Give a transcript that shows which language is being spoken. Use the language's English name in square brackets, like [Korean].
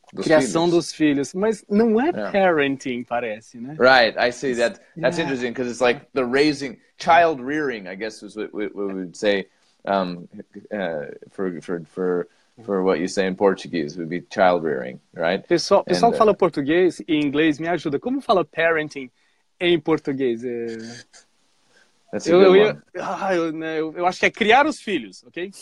[Portuguese] Dos filhos, mas não é parenting, parece, né? [English] Right, I see that. That's interesting because it's like the raising, child rearing, I guess is what we would say for what you say in Portuguese would be child rearing, right? [Portuguese] Pessoal que fala português e inglês, me ajuda. Como fala parenting em português? Eu acho que é criar os filhos, ok?